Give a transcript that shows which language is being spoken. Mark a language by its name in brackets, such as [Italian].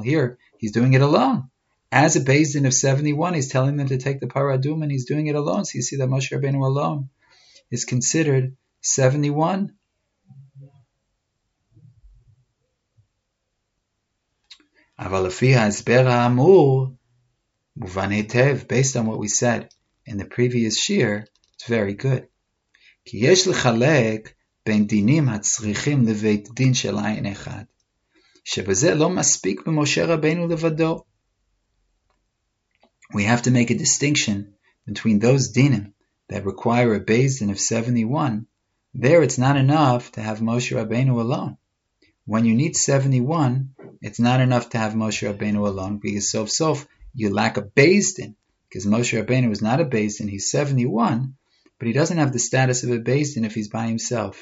[English] Here, he's doing it alone. As a Beis Din of 71, he's telling them to take the Parah Adumah, and he's doing it alone. So you see that Moshe Rabbeinu alone is considered 71. [Hebrew] אבל לפי ההסבר האמור, מובן היטב, [English] based on what we said in the previous shir, it's very good. [Hebrew] כי יש לחלק בין דינים הצריכים לבית דין של עין אחד, שבזה לא מספיק במשה רבנו לבדו. [English] We have to make a distinction between those dinim that require a Beis Din of 71. There it's not enough to have Moshe Rabbeinu alone. When you need 71, it's not enough to have Moshe Rabbeinu alone, because sof, you lack a Beis Din, because Moshe Rabbeinu is not a Beis Din, he's 71, but he doesn't have the status of a Beis Din if he's by himself.